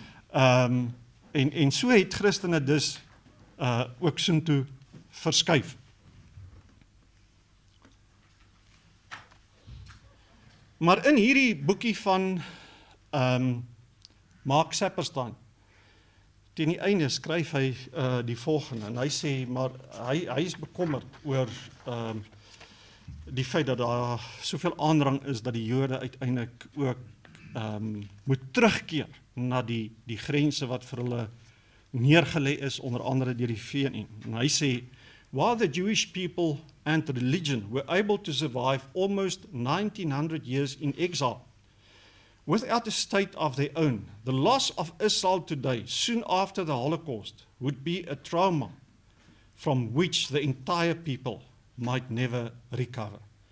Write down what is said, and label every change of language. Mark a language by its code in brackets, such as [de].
[af] En so het Christene dus ook soontoe verskuif. Maar in hierdie boekie van Mark Saperstein, ten die einde skryf hy die volgende, en hy sê, maar hy is bekommerd oor die feit dat daar soveel aandrang is, dat die Jode uiteindelik ook moet terugkeer na die grense wat vir hulle neergelê is, onder andere deur die VN. En hy sê, [en] while the Jewish people and religion were able to survive almost 1900 years in exile, without a state of their own, the loss of Israel today, soon after the Holocaust, would be a trauma from which the entire people might never recover.